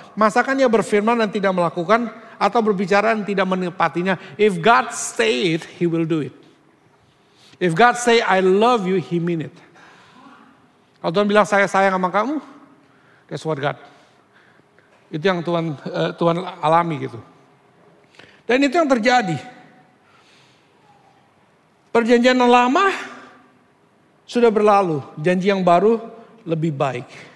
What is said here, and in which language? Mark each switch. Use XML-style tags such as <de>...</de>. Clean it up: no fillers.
<id>Masakan ia berfirman dan tidak melakukan atau berbicara dan tidak menepatinya.</id> <en>If God say it, he will do it. If God say I love you, he mean it.</en> <id>Kalau Tuhan bilang saya sayang sama kamu,</id> <en>that's what God.</en> <id>Itu yang Tuhan alami gitu. Dan itu yang terjadi. Perjanjian yang lama sudah berlalu. Janji yang baru lebih baik.</id>